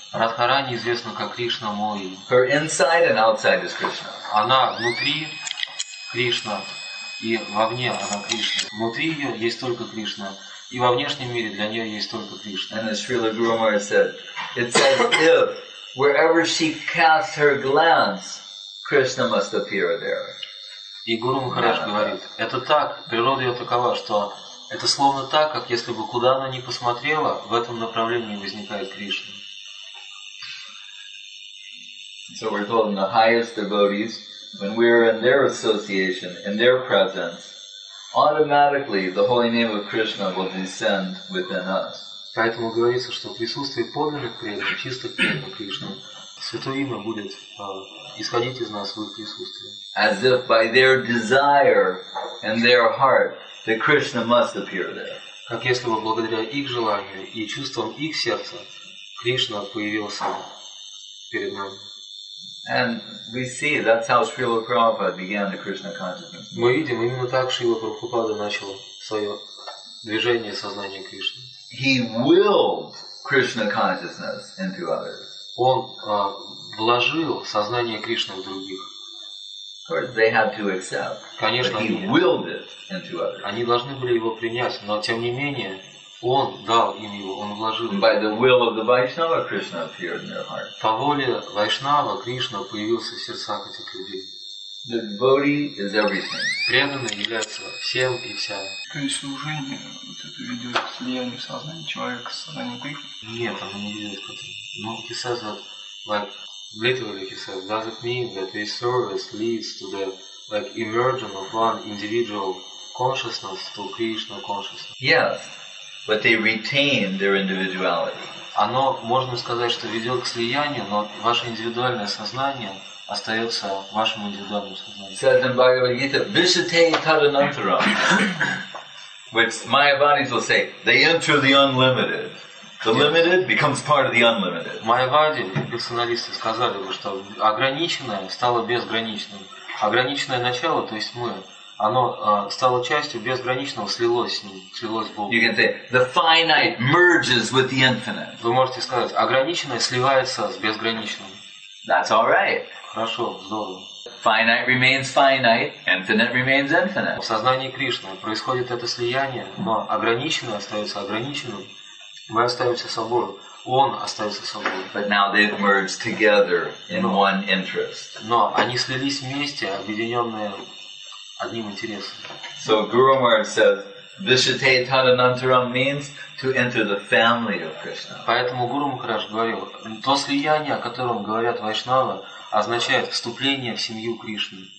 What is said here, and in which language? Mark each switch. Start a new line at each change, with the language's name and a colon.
Russian: Радхарани известна как Кришнамойи.
English: Her inside and outside is Krishna.
Russian: Она внутри Кришна и вовне она Кришна. Внутри ее есть только Кришна. И во внешнем мире для нее есть только Кришна.
English: And as Srila Guru Maharaj said, it says if wherever she casts her glance, Krishna must appear there.
Russian: И Гуру Махарадж говорит, это так, природа ее такова, что это словно так, как если бы куда она ни посмотрела, в этом направлении возникает Кришна.
English: So we're told in the highest devotees, when we are in their association, in their presence, automatically, the holy name of Krishna will descend within us.
Russian: Поэтому говорится, что присутствие подлинных преданных, чистых преданных Кришны, святое имя будет исходить из нас в их присутствии.
English: As if by their desire and their heart, that Krishna must appear there.
Russian: Как если бы благодаря их желанию и чувствам их сердца Кришна появился перед нами.
English: And we see that's how Srila Prabhupada began the Krishna consciousness.
Russian: Мы видим именно так, Шрила Прабхупада начал свое движение сознания Кришны.
English: He willed Krishna consciousness into others.
Russian: Он вложил сознание Кришны в других.
English: Of course, they had to accept.
Russian: Конечно,
English: he willed it into others.
Russian: Они должны были его принять, но тем не менее Он дал им его, Он вложил.
English: By the will of the Vaishnava, Krishna appeared in their heart.
Russian: По воле Вайшнава Кришна появился в сердцах этих людей.
English: The devotee is everything.
Russian: Преданный является всем и вся. То есть служение вот это ведет к слиянию сознания человека с сознанием Кришны? Нет, оно не ведет к этому. Но кисаза,
English: like literally
Russian: кисаза,
English: does it mean that this service leads to the like immersion of one individual consciousness to Krishna consciousness? Yes, but they retain their individuality.
Russian: Оно можно сказать, что ведет к слиянию, но ваше индивидуальное сознание остается вашим индивидуальным сознанием.
English: Says in Bhagavad Gita, Vishatei Tadanantaram, which Mayavadis will say, they enter the unlimited. The limited becomes part of the unlimited.
Russian: Майявади, персоналисты сказали бы, что ограниченное стало безграничным. Ограниченное начало, то есть мы, оно стало частью безграничного, слилось с ним, слилось с Богом.
English: You can say, the finite merges with the infinite.
Russian: Вы можете сказать, ограниченное сливается с безграничным.
English: That's all right.
Russian: Хорошо, здорово.
English: Finite remains finite, infinite remains infinite.
Russian: В сознании Кришны происходит это слияние, но ограниченное остается ограниченным. Мы остаемся собой, он остается собой.
English: But now they've merged together in one interest.
Russian: Но они слились вместе, объединенные одним интересом.
English: So Guru Maharaj says, Vishate Tadanantaram means to enter the family of Krishna.
Russian: Поэтому Гуру Махарадж говорил, то слияние, о котором говорят вайшнавы, означает вступление в семью Кришны.